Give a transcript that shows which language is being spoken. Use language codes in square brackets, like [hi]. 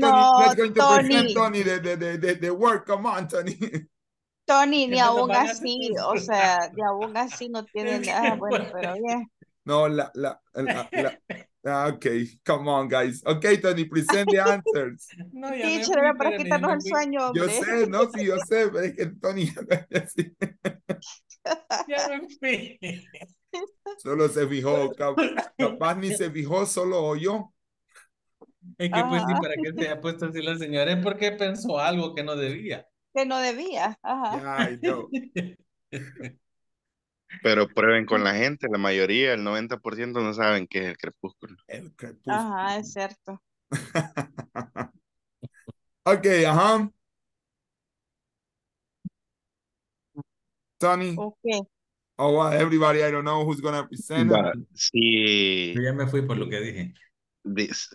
[en] No, let's go to present Tony the work. Come on, Tony. [es] Tony, ni aún así. O sea, ni aún así no tiene nada. Bueno, pero bien. [en] Yeah. No, la. Okay, come on, guys. Okay, Tony, present the answers. No, [es] teacher, era para quitarnos el sueño, hombre. Yo sé, no, sí, yo sé, pero es que Tony... Ya me fui. Solo se fijó, capaz ni se fijó, solo oyó. Es que pues sí, para que se haya puesto así la señora, es porque pensó algo que no debía. Que no debía, ajá. Ay, no. Pero prueben con la gente, la mayoría, el 90% no saben qué es el crepúsculo. El crepúsculo. Ajá, es cierto. Ok, ajá. Tony. Ok. [en] Oh, wow, everybody, I don't know who's going to present. [es] Sí. Yo ya me fui por lo que dije.